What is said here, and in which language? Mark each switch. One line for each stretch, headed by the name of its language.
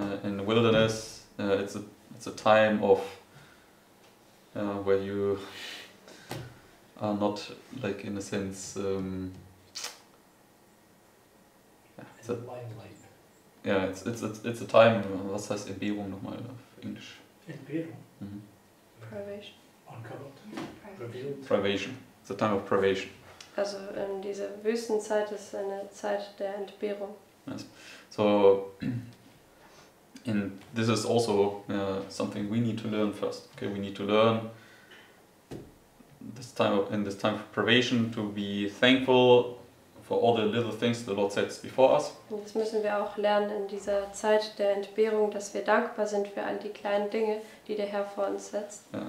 English: In the wilderness, it's a time of where you are not like in a sense in the limelight.
German: Ja,
English: it's a time.
German: Was heißt Entbehrung nochmal auf Englisch? Entbehrung. Mhm.
English: Privation. Uncovered. Privation. It's a time of privation.
German: Also in dieser Wüstenzeit ist eine Zeit der Entbehrung.
English: Yes. So, and this is also something we need to learn first. Okay, we need to learn this time of, in this time of privation to be thankful for all the little things the Lord sets before us.
German: Und das müssen wir auch lernen in dieser Zeit der Entbehrung, dass wir dankbar sind für all die kleinen Dinge, die der Herr vor uns setzt.